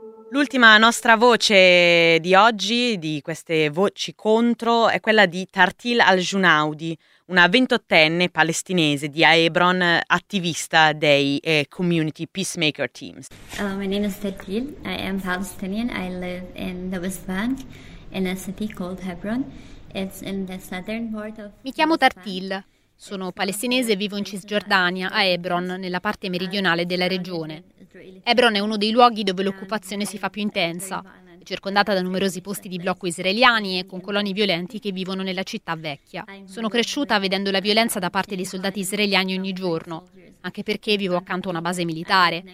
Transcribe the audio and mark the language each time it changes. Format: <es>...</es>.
<it>L'ultima nostra voce di oggi, di queste voci contro, è quella di Tartil Al-Junaudi, una 28enne palestinese di Hebron, attivista dei community peacemaker teams.</it> <en>My name is Tartil. I am Palestinian. I live in the West Bank, in a city called Hebron. It's in the southern part of.</en> <it>Mi chiamo Tartil. Sono palestinese e vivo in Cisgiordania, a Hebron, nella parte meridionale della regione. Hebron è uno dei luoghi dove l'occupazione si fa più intensa, circondata da numerosi posti di blocco israeliani e con coloni violenti che vivono nella città vecchia. Sono cresciuta vedendo la violenza da parte dei soldati israeliani ogni giorno, anche perché vivo accanto a una base militare.</it>